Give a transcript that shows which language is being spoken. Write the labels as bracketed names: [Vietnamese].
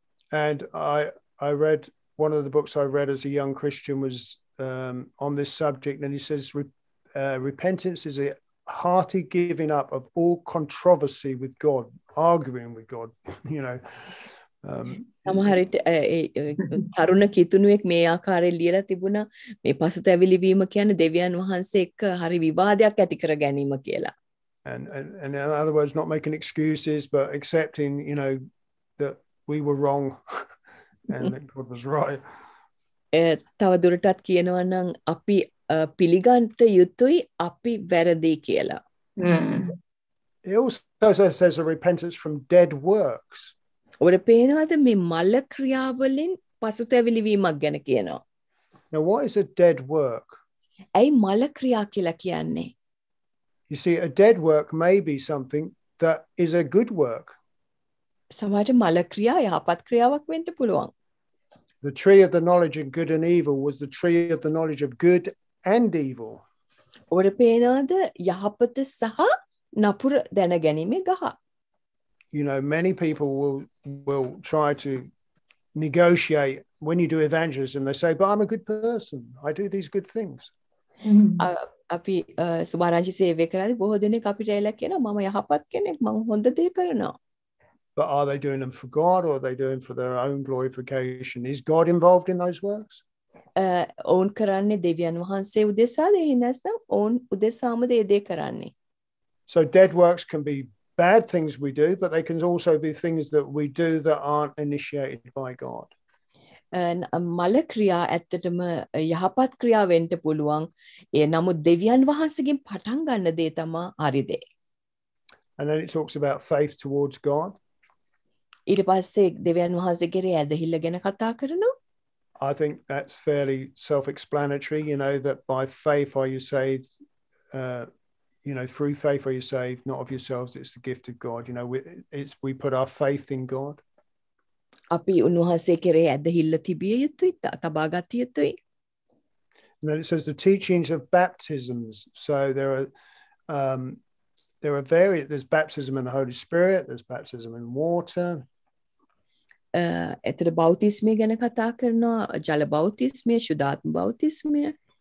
[English] And I read one of the books I read as a young Christian was on this subject, and he says repentance is a hearty giving up of all controversy with God, arguing with God, you know. [Sinhala] සමහර විට තරුණ කිතුණුවෙක් මේ ආකාරයෙන් ලියලා තිබුණා මේ පසුතැවිලි වීම කියන්නේ දෙවියන් වහන්සේ එක්ක හරි විවාදයක් ඇති කර ගැනීම කියලා. [English] And in other words, not making excuses, but accepting, you know, that we were wrong and that God was right. [Sinhala] තව දුරටත් කියනවා නම් අපි පිළිගන්න යුතුයි අපි වැරදි කියලා. [English] It also says a repentance from dead works. [Sinhala] ඔබට පේනවද මේ මල ක්‍රියාවලින් පසුතැවිලි වීමක් ගැන කියනවා. [English] Now, what is a dead work? [Sinhala] ඇයි මල ක්‍රියා කියලා කියන්නේ? [English] You see, a dead work may be something that is a good work. [Sinhala] සමහර මල ක්‍රියා යහපත් ක්‍රියාවක් වෙන්න පුළුවන්. [English] The tree of the knowledge of good and evil was the tree of the knowledge of good and evil. [Sinhala] ඔබට පේනවද යහපත සහ නපුර දැනගැනීමේ ගහ. [English] You know, many people will try to negotiate when you do evangelism. They say, but I'm a good person. I do these good things. [Sinhala] අපි සුබාරංචි සේවය කරද්දී බොහෝ දෙනෙක් අපිට එලක් කියනවා මම යහපත් කෙනෙක් මම හොඳ දේ කරනවා. [English] But are they doing them for God or are they doing for their own glorification? Is God involved in those works? [Sinhala] ඔවුන් කරන්නේ දෙවියන් වහන්සේ උදෙසාද එහෙ නැත්නම් ඔවුන් උදෙසාම දේ කරන්නේ. [English] So dead works can be bad things we do, but they can also be things that we do that aren't initiated by God. [Sinhala] And මල ක්‍රියා ඇත්තටම යහපත් ක්‍රියා වෙන්න පුළුවන් ඒ නමුත් දෙවියන් වහන්සේගෙන් පටන් ගන්න දේ තමයි හරි දේ. [English] And then it talks about faith towards God. [Sinhala] ඊට පස්සේ දෙවියන් වහන්සේ කෙරෙහි ඇදහිල්ල ගැන කතා කරනවා. [English] I think that's fairly self-explanatory, you know, that by faith are you saved, you know, through faith are you saved, not of yourselves, it's the gift of God, you know, we put our faith in God. [Sinhala] අපි උන්වහන්සේ කෙරෙහි ඇදහිල්ල තිබිය යුතුයි තබා ගත යුතුයි. [English] Then it says the teachings of baptisms. So there are various. There's baptism in the Holy Spirit. There's baptism in water. [Sinhala] එතන බෞතිස්මය ගැන කතා කරනවා ජල බෞතිස්මය ශුද්ධාත්ම බෞතිස්මය.